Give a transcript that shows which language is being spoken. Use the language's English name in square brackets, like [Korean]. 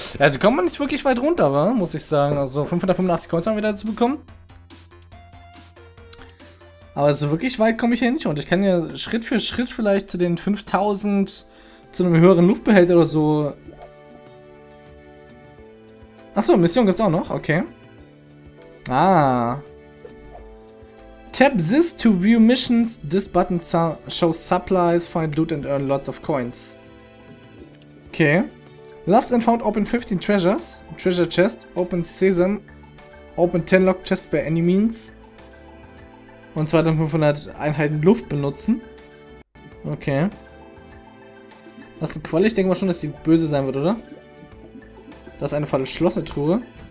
[German] Also kommen wir nicht wirklich weit runter, wa? Muss ich sagen. Also 585 Coins haben wir dazu bekommen. Aber so wirklich weit komme ich hier nicht. Und ich kann ja Schritt für Schritt vielleicht zu den 5000 zu einem höheren Luftbehälter oder so. Achso, Mission gibt's auch noch. Okay. Ah. [English] Tap this to view missions. This button shows supplies. Find loot and earn lots of coins. Okay. Lost and found open 15 treasures. Treasure chest. Open sesam. Open 10 locked chests by any means. [German] Und 2500 Einheiten Luft benutzen. Okay. Das ist eine Qualle. Ich denke mal schon, dass sie böse sein wird, oder? Das ist eine verschlossene Truhe.